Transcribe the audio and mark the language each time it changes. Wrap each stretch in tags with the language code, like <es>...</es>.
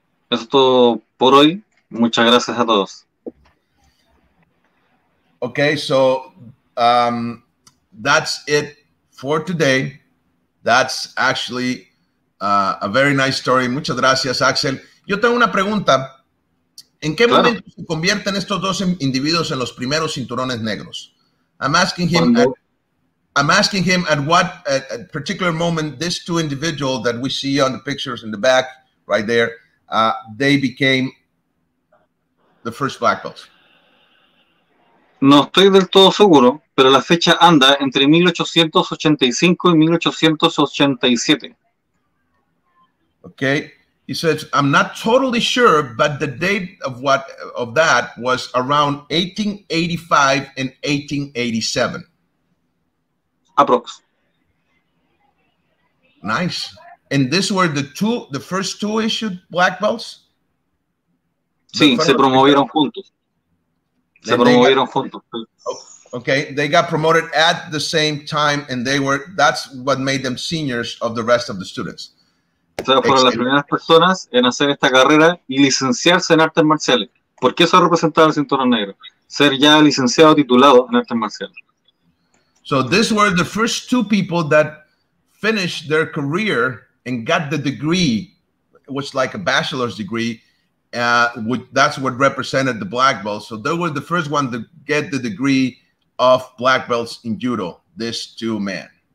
<es>Eso es todo por hoy. Muchas gracias a todos.</es> <en>Okay, so that's it for today. That's actually a very nice story.</en> <es>Muchas gracias, Axel. Yo tengo una pregunta. ¿En qué claro. momento se convierten estos dos individuos en los primeros cinturones negros?</es> <en>I'm asking him at what at particular moment these two individuals that we see on the pictures in the back right there, they became the first black belts.</en> <es>No estoy del todo seguro, pero la fecha anda entre 1885 y 1887.</es> <en>Okay. He says, I'm not totally sure, but the date of what of that was around 1885 and 1887. Approx. Nice. And these were the first two issued black belts?</en> <es>Sí, se promovieron juntos. Se promovieron juntos.</es> <en>Okay, they got promoted at the same time, and they were, that's what made them seniors of the rest of the students.</en> <es>Entonces fueron las primeras personas en hacer esta carrera y licenciarse en artes marciales. ¿Por qué eso representaba el cinturón negro? Ser ya licenciado titulado en artes marciales.</es> <en>So these were the first two people that finished their career and got the degree, which is like a bachelor's degree, which that's what represented the black belt. So they were the first one to get the degree of black belts in judo, these two men.</en>